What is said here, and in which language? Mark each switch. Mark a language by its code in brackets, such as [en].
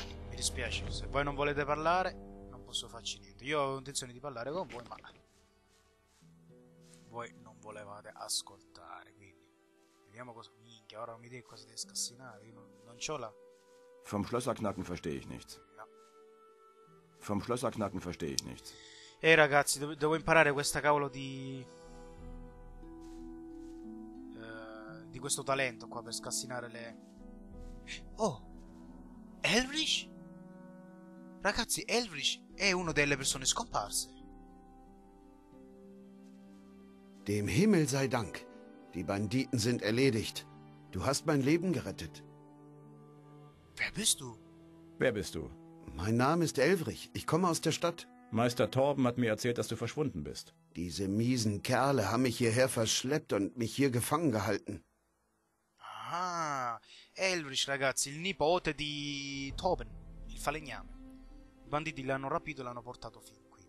[it] Mi dispiace, se voi non volete parlare, non posso farci niente. Io avevo intenzione di parlare con voi, ma... voi non volevate ascoltare, quindi... vediamo cosa... minchia, ora non mi devi quasi scassinare, io non c'ho la... [de] Vom Schlösserknacken verstehe ich nichts. Vom Schlösserknacken verstehe ich nichts. [it] Ehi ragazzi, devo imparare questa cavolo di... di questo talento qua per scassinare le... Oh! Elvrich? Ragazzi, Elvrich è una delle persone scomparse. [de] Dem Himmel sei Dank. Die Banditen sind erledigt. Du hast mein Leben gerettet. Wer bist du? Wer bist du? Mein Name ist Elvrich. Ich komme aus der Stadt. Meister Torben hat mir erzählt, dass du verschwunden bist. Diese miesen Kerle haben mich hierher verschleppt und mich hier gefangen gehalten. Aha. [it] Elvrich, ragazzi, il nipote di Torben, il falegname. I banditi l'hanno rapito e l'hanno portato fin qui.